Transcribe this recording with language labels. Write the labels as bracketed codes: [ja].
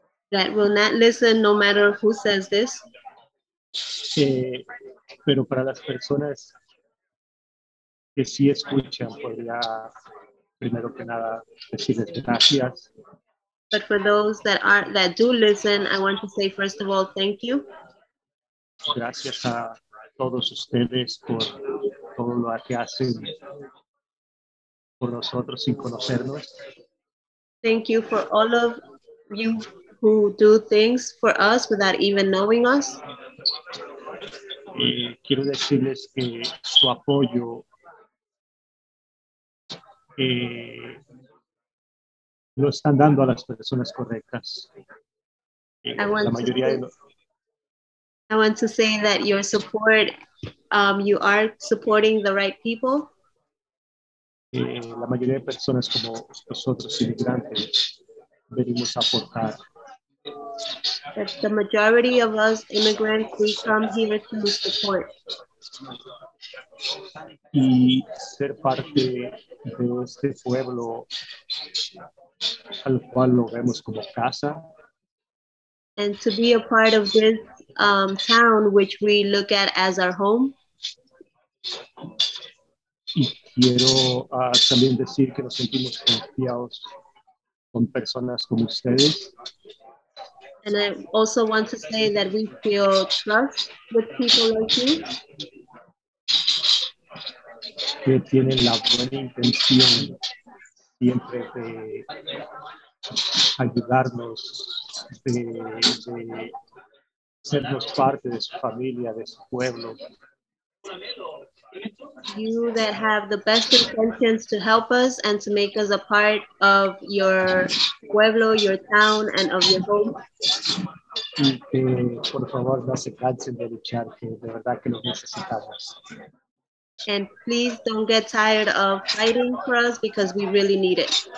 [en] That will not listen no matter who says this. [es] Pero para las personas que sí escuchan, podría primero que nada decirles gracias. [en] But for those that do listen, I want to say first of all, thank you. [es] Gracias a todos ustedes por todo lo que hacen por nosotros sin conocernos. [en] Thank you for all of you who do things for us without even knowing us. [es] Quiero decirles que su apoyo lo están dando a las personas correctas. [en] I want to say that your support, you are supporting the right people. [es] La mayoría de personas como nosotros, inmigrantes, venimos a aportar. [en] That the majority of us immigrants, we come here to support. [es] Y ser parte de este pueblo al cual lo vemos como casa. [en] And to be a part of this town, which we look at as our home. [es] Y quiero también decir que nos sentimos confiados con personas como ustedes. [en] And I also want to say that we feel trust with people like you. [es] Que tienen la buena intención siempre de ayudarnos, de sernos parte de su familia, de su pueblo. [en] You that have the best intentions to help us and to make us a part of your pueblo, your town, and of your home. [es] Y que, por favor, no se cansen de luchar, que de verdad que lo necesitamos. [en] And please don't get tired of fighting for us because we really need it.